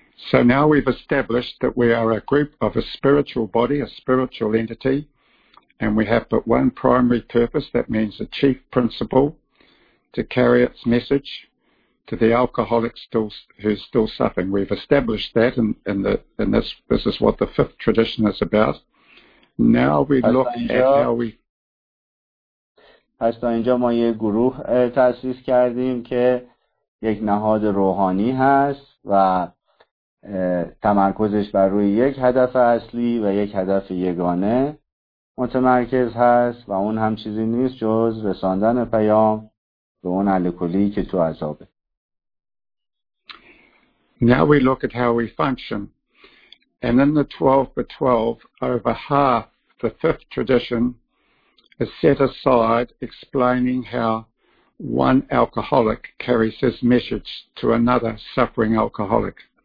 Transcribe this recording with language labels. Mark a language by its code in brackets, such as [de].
[en] So now we've established that we are a group of a spiritual body, a spiritual entity, and we have but one primary purpose, that means a chief principle, to carry its message to the alcoholic who's still suffering. We've established that, and this is what the fifth tradition is about. Now we look at how we... [fa] پس تا اینجا ما یه گروه تأسیس کردیم که یک نهاد روحانی هست و تمرکزش بر روی یک هدف اصلی و یک هدف یگانه متمرکز هست و اون هم چیزی نیست جز رساندن پیام به اون الکلی که تو عذابه. [en] Now we look at how we function. And in the 12 by 12, over half the fifth tradition is set aside explaining how one alcoholic carries his message to another suffering alcoholic.